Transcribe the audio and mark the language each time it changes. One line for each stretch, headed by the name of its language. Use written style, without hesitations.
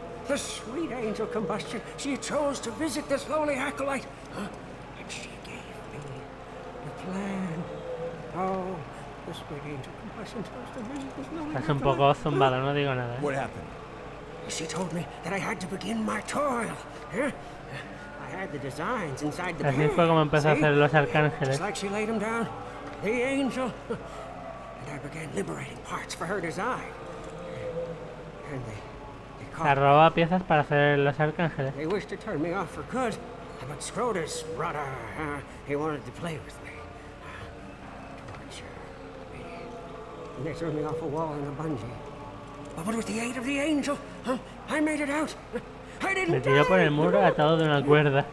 English: The sweet angel combustion. She chose to visit this lowly acolyte. And she gave me the plan. Oh, the sweet angel combustion chose to visit this lowly acolyte.
Spanish: Estás un poco zumbado, no digo nada.
English: What happened? She told me that I had to begin my toil.
Spanish: Así fue como empezó a hacer los arcángeles.
English: Like she laid him down, the angel, and I began liberating parts for her design. And they
Spanish: caught. Se robó piezas para hacer los arcángeles.
English: They wished to turn me off for good, but Scrotus brother, he wanted to play with me. And they threw me off a wall in a bungee. But what was the aid of the angel? I made it out.
Spanish: Me tiró por el muro atado de una cuerda.